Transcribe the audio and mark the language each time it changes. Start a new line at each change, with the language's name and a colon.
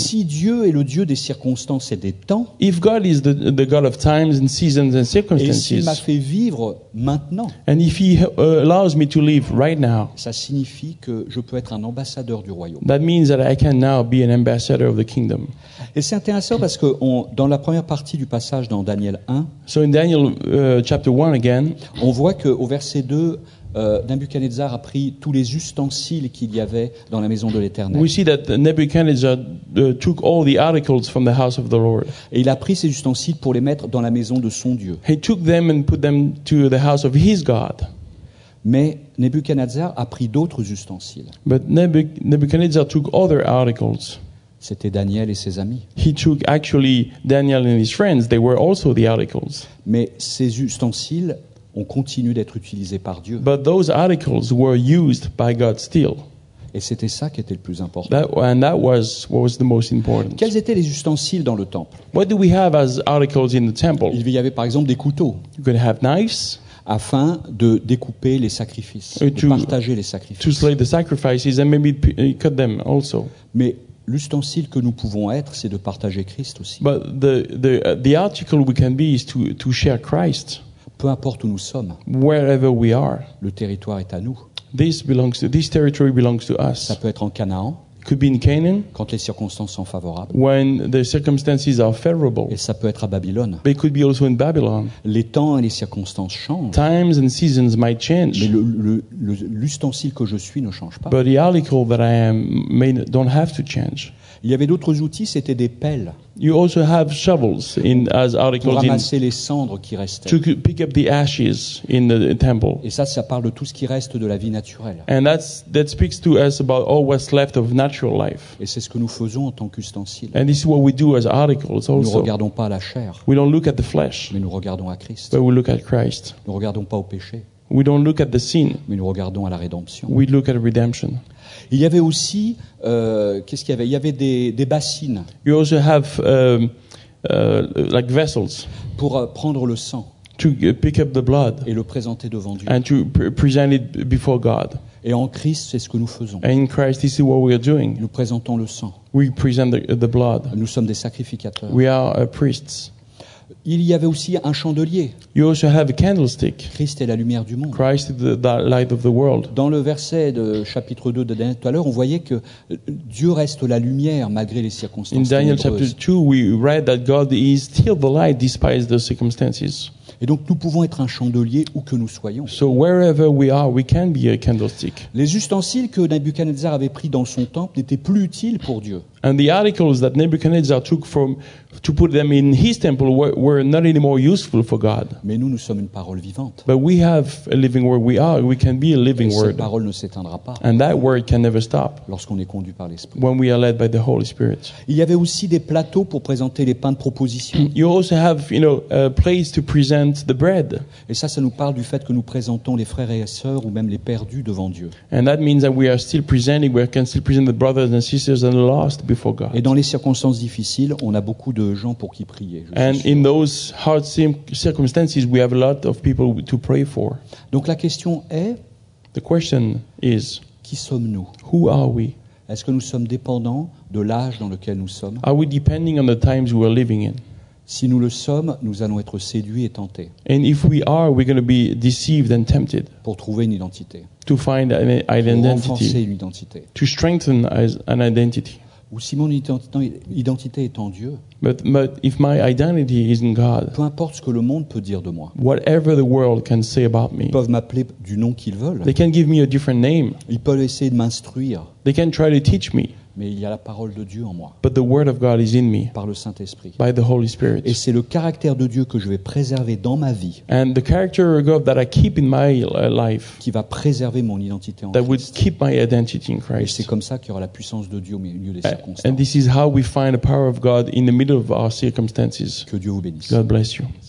French: Si Dieu est le Dieu des circonstances et des temps.
English: If God is the God of times and seasons and circumstances.
French: Et s'il m'a fait vivre maintenant.
English: And if He allows me to live right now.
French: Ça signifie que je peux être un ambassadeur du royaume.
English: That means that I can now be an ambassador of the kingdom.
French: Et c'est intéressant parce que dans la première partie du passage dans Daniel 1,
English: so in Daniel, chapter 1 again,
French: on voit qu'au verset 2, Nebuchadnezzar a pris tous les ustensiles qu'il y avait dans la maison de l'Éternel.
English: We see that Nebuchadnezzar took all the articles from the house of the Lord.
French: Et il a pris ces ustensiles pour les mettre dans la maison de son Dieu.
English: He took them and put them to the house of his God.
French: Mais Nebuchadnezzar a pris d'autres ustensiles.
English: But Nebuchadnezzar took other articles.
French: C'était Daniel et ses amis.
English: He took actually Daniel and his friends. They were also the articles.
French: Mais ces ustensiles ont continué d'être utilisés par Dieu.
English: But those articles were used by God still.
French: Et c'était ça qui était le plus important.
English: And that was what was the most important.
French: Quels étaient les ustensiles dans le temple?
English: What do we have as articles in the temple?
French: Il y avait par exemple des couteaux.
English: You could have knives.
French: Afin de découper les sacrifices, de partager les sacrifices.
English: To slay the sacrifices and maybe cut them also.
French: Mais l'ustensile que nous pouvons être, c'est de partager Christ aussi.
English: But the article we can be is to share Christ.
French: Peu importe où nous sommes.
English: Wherever we are.
French: Le territoire est à nous.
English: This territory belongs to us.
French: Ça peut être en Canaan.
English: Could be in Canaan.
French: Quand les circonstances sont favorables.
English: When the circumstances are favorable.
French: Et ça peut être à Babylone.
English: But it could be also in Babylon.
French: Les temps et les circonstances changent.
English: Times and seasons might change.
French: Mais le l'ustensile que je suis ne change pas.
English: But the article that I am may don't have to change.
French: Il y avait d'autres outils, c'était des pelles.
English: You also have shovels in as articles.
French: Pour ramasser les cendres qui restaient.
English: To pick up the ashes in the temple.
French: Et ça parle de tout ce qui reste de la vie naturelle.
English: And that speaks to us about all what's left of natural life.
French: Et c'est ce que nous faisons en tant qu'ustensiles.
English: And this is what we do as articles also.
French: Nous ne regardons pas à la chair.
English: We don't look at the flesh.
French: Mais nous regardons à Christ.
English: But we look at Christ.
French: Nous ne regardons pas au péché.
English: We don't look at the sin.
French: Mais nous regardons à la rédemption.
English: We look at redemption.
French: Il y avait aussi, qu'est-ce qu'il y avait? Il y avait des bassines.
English: You also have like vessels.
French: Pour prendre le sang.
English: To pick up the blood.
French: Et le présenter devant Dieu.
English: And to present it before God.
French: Et en Christ, c'est ce que nous faisons.
English: And in Christ, this is what we are doing.
French: Nous présentons le sang.
English: We present the blood.
French: Nous sommes des sacrificateurs.
English: We are priests.
French: Il y avait aussi un chandelier.
English: You also have a candlestick.
French: Christ est la lumière du monde.
English: Christ is the light of the world.
French: Dans le verset de chapitre 2 de Daniel tout à l'heure, on voyait que Dieu reste la lumière malgré les circonstances.
English: In Daniel chapter 2, we read that God is still the light despite the circumstances.
French: Et donc nous pouvons être un chandelier où que nous soyons.
English: So wherever we are, we can be a candlestick.
French: Les ustensiles que Nabuchodonosor avait pris dans son temple n'étaient plus utiles pour Dieu.
English: And the articles that Nebuchadnezzar took from to put them in his temple were not anymore useful for God.
French: Mais nous sommes une parole vivante.
English: But we have a living word. We are. We can be a living word.
French: Et cette parole ne s'éteindra pas.
English: And that word can never stop.
French: Lorsqu'on est conduit par l'Esprit.
English: When we are led by the Holy Spirit.
French: Il y avait aussi des plateaux pour présenter les pains de proposition.
English: You also have, you know, a place to present the bread.
French: Et ça nous parle du fait que nous présentons les frères et sœurs ou même les perdus devant Dieu.
English: And that means that we are still presenting. We can still present the brothers and sisters and the lost. Before God.
French: Et dans les circonstances difficiles, on a beaucoup de gens pour qui prier.
English: And in those hard circumstances, we have a lot of people to pray for.
French: Donc la question est,
English: the question is,
French: qui sommes-nous?
English: Who are we?
French: Est-ce que nous sommes dépendants de l'âge dans lequel nous sommes?
English: Are we depending on the times we are living in?
French: Si nous le sommes, nous allons être séduits et tentés.
English: And if we are, we're going to be deceived and tempted.
French: Pour trouver une identité.
English: To find an identity.
French: Pour renforcer une identité.
English: To strengthen an identity.
French: Ou si mon identité est en Dieu.
English: But if my identity is in God.
French: Peu importe ce que le monde peut dire de moi.
English: Whatever the world can say about me.
French: Ils peuvent m'appeler du nom qu'ils veulent.
English: They can give me a different name.
French: Ils peuvent essayer de m'instruire.
English: They can try to teach me.
French: Mais il y a la parole de Dieu en moi.
English: But the word of God is in me.
French: Par le Saint-Esprit.
English: By the Holy Spirit.
French: Et c'est le caractère de Dieu que je vais préserver dans ma vie.
English: And the character of God that I keep in my life.
French: Qui va préserver mon identité en
English: that
French: Christ.
English: That would keep my identity in Christ.
French: Et c'est comme ça qu'il y aura la puissance de Dieu au milieu des circonstances.
English: And this is how we find the power of God in the middle of our circumstances.
French: Que Dieu vous bénisse.
English: God bless you.